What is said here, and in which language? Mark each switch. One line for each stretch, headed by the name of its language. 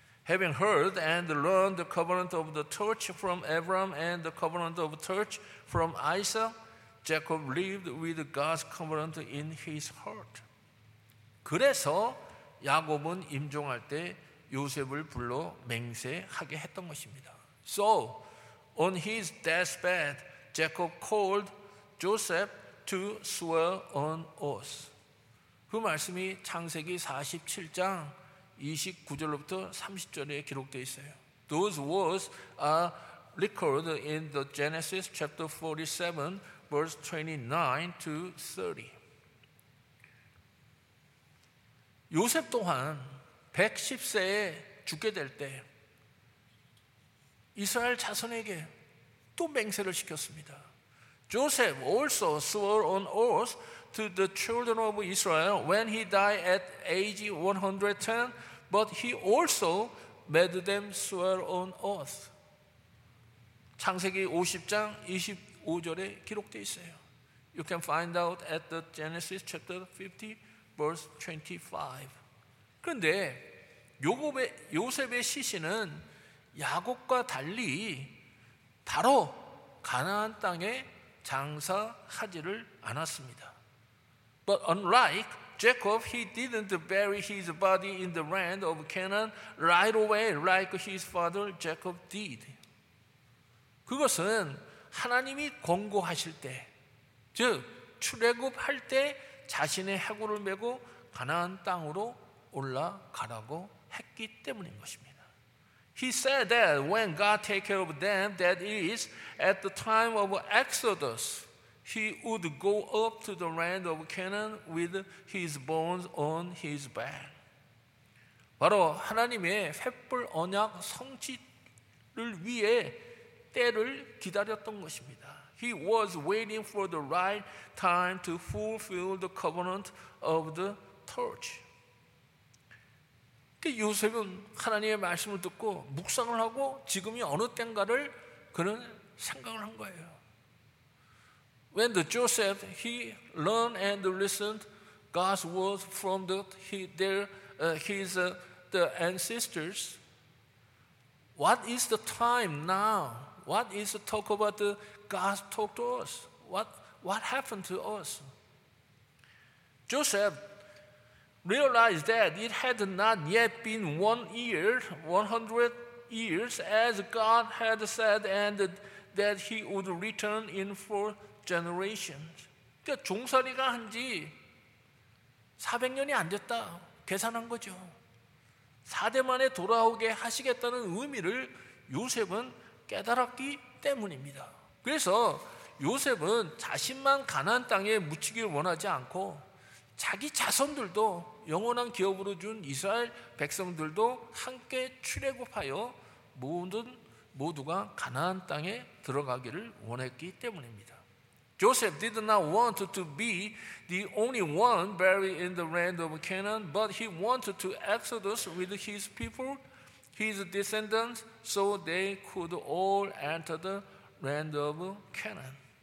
English: Having heard and learned the covenant of the torch from Abraham and the covenant of the torch from Isaac, Jacob lived with God's covenant in his heart.
Korean: 그래서 야곱은 임종할 때 요셉을 불러 맹세하게 했던 것입니다.
English: So, on his deathbed, Jacob called Joseph to swear an oath.
Korean: 그 말씀이 창세기 47장 29절로부터 30절에 기록되어 있어요.
English: Those words are recorded in the Genesis chapter 47, verse 29 to 30.
Korean: 요셉 또한 110세에 죽게 될 때 이스라엘 자손에게 또 맹세를 시켰습니다.
English: Joseph also swore an oath to the children of Israel when he died at age 110, but he also made them swear an oath.
Korean: 창세기 50장 25절에 기록되어 있어요.
English: You can find out at the Genesis chapter 50, verse 25.
Korean: 그런데 요셉의 시신은 야곱과 달리 바로 가나안 땅에 장사하지를 않았습니다.
English: But unlike Jacob, he didn't bury his body in the land of Canaan right away like his father Jacob did.
Korean: 그것은 하나님이 권고하실 때, 즉 출애굽할 때 자신의 해골을 메고 가나안 땅으로 올라가라고 했기 때문인 것입니다.
English: He said that when God take care of them, that is, at the time of Exodus, he would go up to the land of Canaan with his bones on his back.
Korean: 바로 하나님의 횃불 언약 성취를 위해 때를 기다렸던 것입니다.
English: He was waiting for the right time to fulfill the covenant of the torch.
Korean: 요셉은 하나님의 말씀을 듣고 묵상을 하고 지금이 어느 때인가를 그는 생각을 한 거예요.
English: When the Joseph he learned and listened God's words from the ancestors. What is the time now? What is the talk about the God talk to us? What happened to us? Joseph realized that it had not yet been 100 years as God had said and that he would return in four generations.
Korean: 그러니까 종살이가 한 지 400년이 안 됐다 계산한 거죠. 4대 만에 돌아오게 하시겠다는 의미를 요셉은 깨달았기 때문입니다. 그래서 요셉은 자신만 가나안 땅에 묻히길 원하지 않고 자기 자손들도 영원한 기업으로 준 이스라엘 백성들도 함께 출애굽하여 모두가 가나안 땅에 들어가기를 원했기 때문입니다.
English: Joseph did not want to be the only one buried in the land of Canaan, but he wanted to exodus with his people, his descendants, so they could all enter the land of Canaan.